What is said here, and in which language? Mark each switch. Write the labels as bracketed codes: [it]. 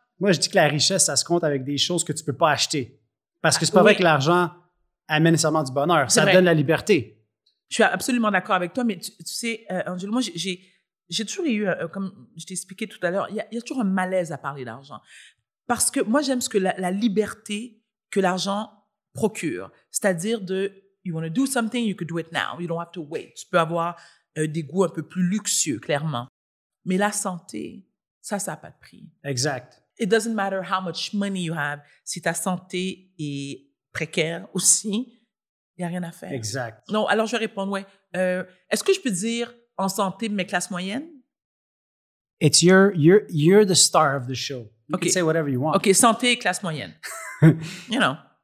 [fr] Moi, je dis que la richesse, ça se compte avec des choses que tu ne peux pas acheter. Parce que c'est pas oui. vrai que l'argent amène nécessairement du bonheur. C'est ça vrai. Donne la liberté. Je suis absolument d'accord avec toi. Mais tu sais, Angelo, moi, j'ai toujours eu, comme je t'ai expliqué tout à l'heure, il y a toujours un malaise à parler d'argent. Parce que moi, j'aime ce que la liberté que l'argent procure. C'est-à-dire de, [en] you want to do something, you could do it now. You don't have to wait. [fr] Tu peux avoir des goûts un peu plus luxueux, clairement. Mais la santé, ça n'a pas de prix. Exact. [en] It doesn't matter how much money you have. [fr] Si ta santé est précaire aussi, il n'y a rien à faire. Exact. Non, alors je vais répondre, oui. Est-ce que je peux dire en santé, mais classe moyenne? [en] It's you're the star of the show. You okay. can say whatever you want. [fr] OK, santé, classe moyenne. [en] You know.